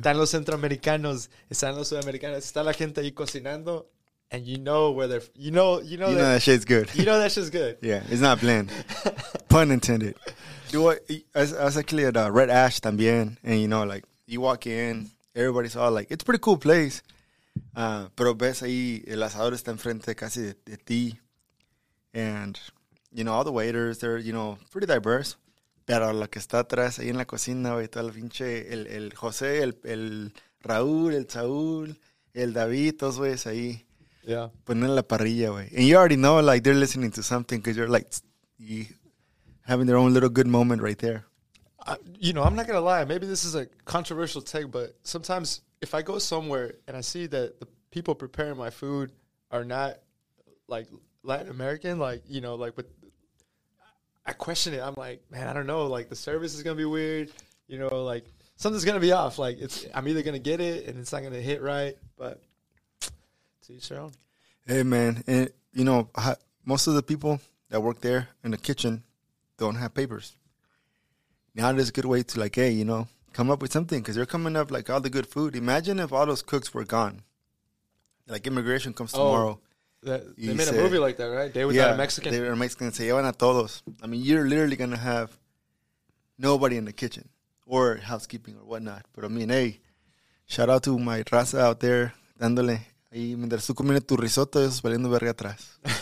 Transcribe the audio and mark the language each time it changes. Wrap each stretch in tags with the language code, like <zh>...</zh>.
<es>Están los centroamericanos. Están los sudamericanos. Está la gente ahí cocinando.</es> <en>And you know where they're, you know that shit's good. You know that shit's good. Yeah, it's not bland. Pun intended. Do what, as actually at Red Ash también. And, you know, like, you walk in, everybody's all like, it's a pretty cool place.</en> <es>Pero ves ahí, el asador está enfrente casi de ti.</es> <en>And, you know, all the waiters, they're, you know, pretty diverse.</en> <es>Pero lo que está atrás ahí en la cocina, güey, todo el pinche, el José, el Raúl, el Saúl, el David, todos güeyes ahí.</es> <en>Yeah.</en> <es>Poniendo la parrilla, güey.</es> <en>And you already know, like, they're listening to something because you're, like, having their own little good moment right there. You know, I'm not going to lie. Maybe this is a controversial take, but sometimes if I go somewhere and I see that the people preparing my food are not, like, Latin American, like, you know, like, but I question it. I'm like, man, I don't know. Like, the service is going to be weird. You know, like, something's going to be off. Like, it's, I'm either going to get it and it's not going to hit right. But to each their own. Hey, man. And, you know, most of the people that work there in the kitchen don't have papers. Now it is a good way to, like, hey, you know, come up with something because they're coming up, like, all the good food. Imagine if all those cooks were gone. Like, immigration comes tomorrow. They made a movie like that, right? Day Without a Mexican. They were Mexican.</en> <es>Se llevan a todos.</es> <en>I mean, you're literally going to have nobody in the kitchen or housekeeping or whatnot. But, I mean, hey, shout out to my raza out there.</en> <es>Dándole. Y mientras tú comienes tu risotto, es valiendo verga atrás.</es>